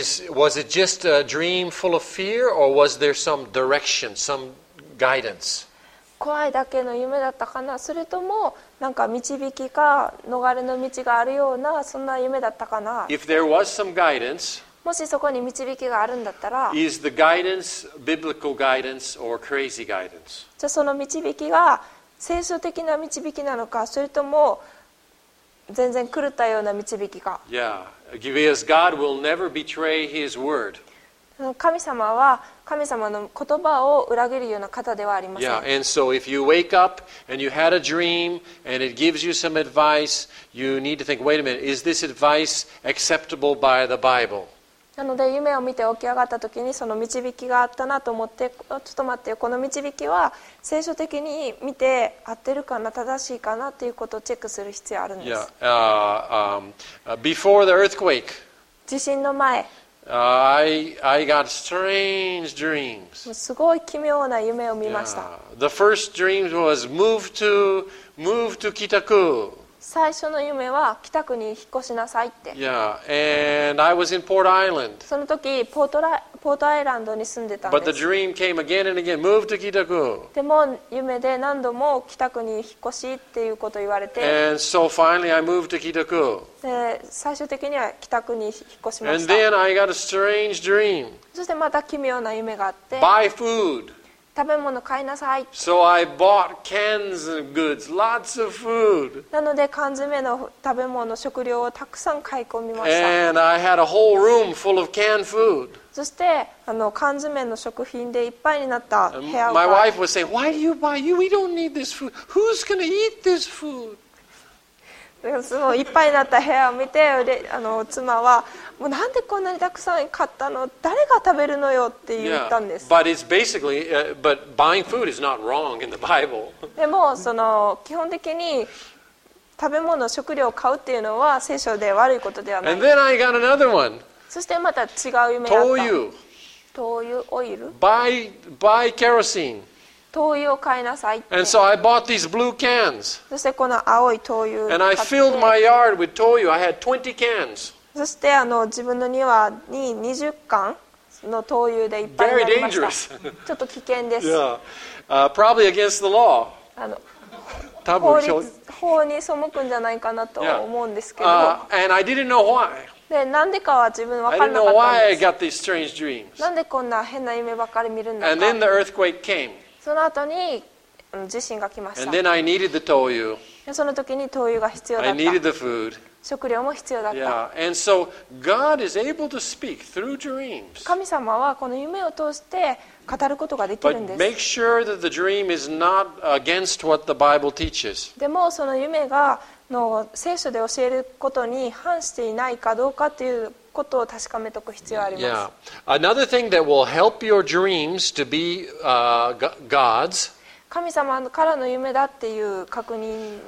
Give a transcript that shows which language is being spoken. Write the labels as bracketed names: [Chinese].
[English] Was it just a dream full of fear, or was there some direction, some guidance? [Japanese] 怖いだけの夢だったかな、それともなんか導きか逃れの道があるようなそんな夢だったかな。 [English] If there was some guidance, [Japanese] もしそこに導きがあるんだったら、 [English] is the guidance biblical guidance or crazy guidance? [Japanese] じゃあその導きが聖書的な導きなのか、それとも全然狂ったような導きか。 [English] Yeah, because God will never betray His word. [Japanese] 神様は神様の言葉を裏切るような方ではありません。 [English] Yeah, and so if you wake up and you had a dream and it gives you some advice, you need to think, wait a minute, is this advice acceptable by the Bible? [Japanese] なので夢を見て起き上がった時にその導きがあったなと思って、ちょっと待ってよ、この導きは聖書的に見て合ってるかな、正しいかなということをチェックする必要あるんです。 [English] Yeah, before the earthquake, [Japanese] 地震の前、 [English] I got strange dreams. [Japanese] すごい奇妙な夢を見ました。 [English] Yeah. The first dream was move to Kitaku. [Japanese] 最初の夢は北区に引っ越しなさいって。 [English] Yeah. And I was in Port Island. [Japanese] その時ポートアイランドに住んでたんです。 [English] But the dream came again and again, move to Kitaku. [Japanese] でも夢で何度も北区に引っ越しっていうこと言われて。 [English] And so finally I moved to Kitaku. [Japanese] で最終的には北区に引っ越しました。 [English] And then I got a strange dream. [Japanese] そしてまた奇妙な夢があって。 [English] Buy food. [Japanese] 食べ物買いなさい。 [English] So I bought cans of goods, lots of food. [Japanese] なので缶詰の食べ物、食料をたくさん買い込みました。 [English] And I had a whole room full of canned food. [Japanese] そしてあの缶詰の食品でいっぱいになった部屋が。 [English] My wife was saying, "Why do you buy? You, we don't need this food. Who's going to eat this food?" [Japanese] そのいっぱいになった部屋を見て、あの妻は。もうなんでこんなにたくさん買ったの？誰が食べるのよって言ったんです。 [English] Yeah, but it's basically, but buying food is not wrong in the Bible. [Japanese] でもその基本的に食べ物、食料を買うっていうのは聖書で悪いことではない。 [English] And then I got another one. [Japanese] そしてまた違う夢があった。灯油。灯油、オイル。 [English] Buy kerosene. [Japanese] 灯油を買いなさいって。 [English] And so I bought these blue cans. [Japanese] そしてこの青い灯油。 [English] And I filled my yard with 灯油. I had 20 cans. [Japanese] そしてあの自分の庭に20缶の灯油でいっぱいになりました。ちょっと危険です。 [English] Yeah. Probably against the law. [Japanese] あの多分法に背くんじゃないかなと思うんですけど。 [English] Yeah. And I didn't know why. [Japanese] で、なんでかは自分分からなかったんです。 [English] I didn't know why I got these strange dreams. [Japanese] なんでこんな変な夢ばかり見るんだか。 [English] And then the earthquake came. [Japanese] その後に地震が来ました。 [English] And then I needed the 灯油. [Japanese] その時に灯油が必要だった。 [English] I needed the food. [Japanese] 食料も必要だった。 [English] Yeah. And so God is able to speak through dreams. [Japanese] 神様はこの夢を通して語ることができるんです。 [English] But make sure that the dream is not against what the Bible teaches. [Japanese] でもその夢がの聖書で教えることに反していないかどうかということを確かめておく必要があります。 [English] Yeah. Another thing that will help your dreams to be God's. [Japanese] 神様からの夢だっていう確認